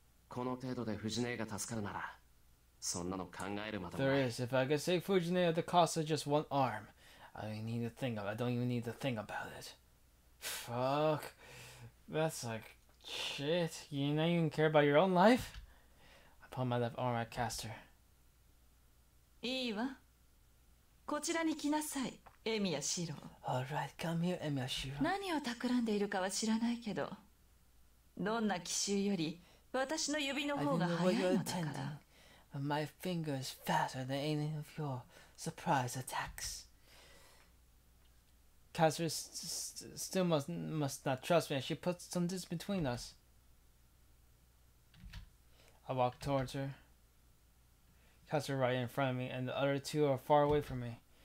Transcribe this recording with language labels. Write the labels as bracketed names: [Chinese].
[English] There is. If I could save Fujine at the cost of just one arm, I don't even need to think about it. Fuck. That's like shit. You don't even care about your own life? upon my left arm, I cast her. [Japanese] いいわ。こちらに来なさい、エミヤシロ。 [English] All right, come here, エミヤシロ。 [Japanese] 何を企んでいるかは知らないけど、どんな奇襲より私の指の方が速いのだから。 [English] I didn't know what you're intending, but my finger is faster than any of your surprise attacks. Kazuya still must not trust me, and she puts some distance between us. I walk towards her. Kazuya right in front of me, and the other two are far away from me.